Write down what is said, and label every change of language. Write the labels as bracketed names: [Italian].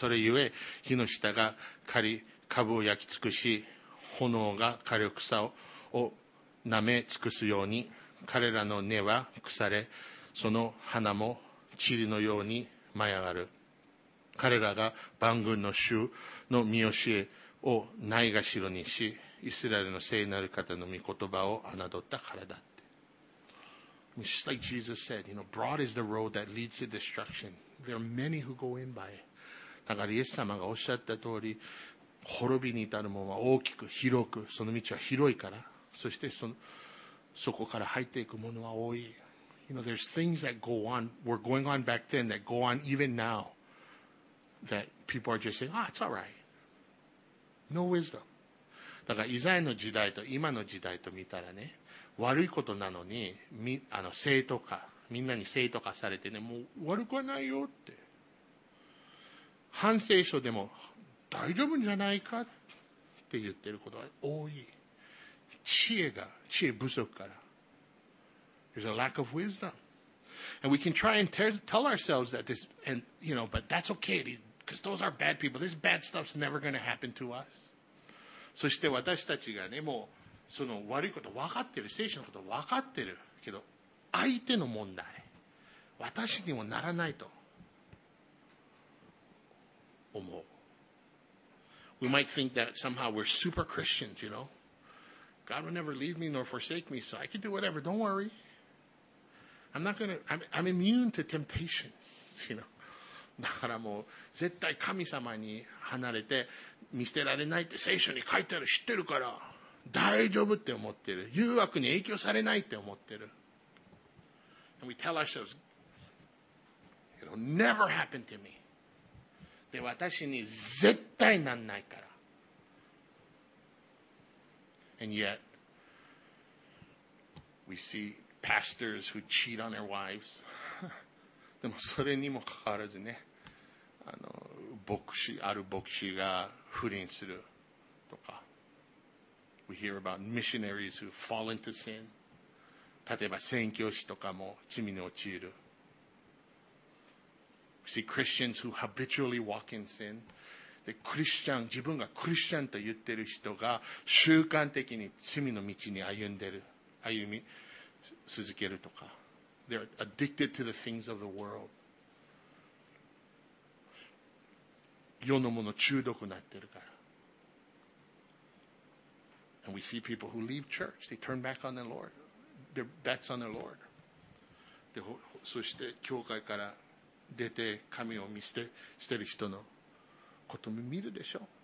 [Japanese] それゆえ火の下が刈り株を焼き尽くし、炎が枯れ草を舐め尽くすように、彼らの根は腐れ、その花も塵のように舞い上がる。彼らが万軍の主の御教えをないがしろにし、イスラエルの聖なる方の御言葉を侮ったからだって。 [English] It's just like Jesus said, you know, broad is the road that leads to destruction. There are many who go in by it. [Japanese] だからイエス様がおっしゃった通り、滅びに至るものは大きく広く、その道は広いから、そしてそこから入っていくものは多い。 [English] You know, there's things that go on, were going on back then that go on even now that people are just saying, ah, it's all right. No wisdom. [Japanese] だからイザヤの時代と今の時代と見たらね、悪いことなのに正当化、みんなに正当化されてね、もう悪くはないよって、反省書でも大丈夫じゃないかって言ってることが多い。知恵不足から。 [English] There's a lack of wisdom. And we can try and tell ourselves that this, and you know, but that's okay, because those are bad people. This bad stuff's never going to happen to us. [Japanese] そして私たちがね、もうその悪いこと分かってる、聖書のこと分かってるけど、相手の問題、私にもならないと思う。 [English] We might think that somehow we're super Christians, you know? God will never leave me nor forsake me, so I can do whatever, don't worry. I'm immune to temptations, you know? [Japanese] だからもう絶対神様に離れて見捨てられないって聖書に書いてある、知ってるから大丈夫って思ってる、誘惑に影響されないって思ってる。 [English] And we tell ourselves, it'll never happen to me. [Japanese] で、私に絶対なんないから。 [English] And yet we see pastors who cheat on their wives. [Japanese] でもそれにもかかわらずね、あの牧師、ある牧師が不倫するとか、 [English] We hear about missionaries who fall into sin. [Japanese] 例えば宣教師とかも罪に陥る。 [English] We see Christians who habitually walk in sin. [Japanese] で、クリスチャン、自分がクリスチャンと言ってる人が習慣的に罪の道に歩んでる、歩み続けるとか。 [English] They're addicted to the things of the world. [Japanese] 世のもの中毒になってるから。 [English] And we see people who leave church. They turn back on the Lord. Their backs on the Lord. [Japanese] で、そして教会から出て神を見捨てる人のことも見るでしょ。